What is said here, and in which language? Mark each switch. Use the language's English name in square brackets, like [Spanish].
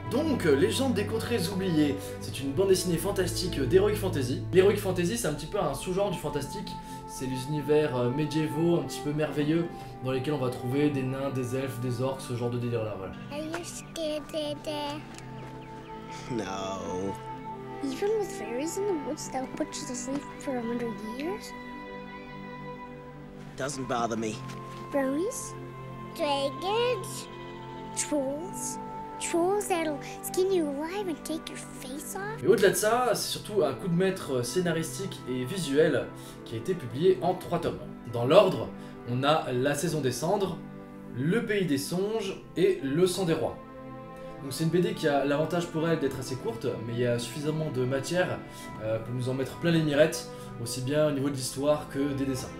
[French] Donc, Légende des contrées oubliées, c'est une bande dessinée fantastique d'Heroic Fantasy. L'Heroic Fantasy, c'est un petit peu un sous-genre du fantastique. C'est les univers médiévaux, un petit peu merveilleux, dans lesquels on va trouver des nains, des elfes, des orques, ce genre de délire-là, voilà. [English] Are you scared, Daddy? No. Even with fairies in the woods, they'll put you to sleep for 100 years? Doesn't bother me. Fairies? Dragons, trolls, trolls that'll skin you alive and take your face off. [French] Et au-delà de ça, c'est surtout un coup de maître scénaristique et visuel qui a été publié en 3 tomes. Dans l'ordre, on a La Saison des Cendres, Le Pays des Songes et Le Sang des Rois. Donc c'est une BD qui a l'avantage pour elle d'être assez courte, mais il y a suffisamment de matière pour nous en mettre plein les mirettes, aussi bien au niveau de l'histoire que des dessins.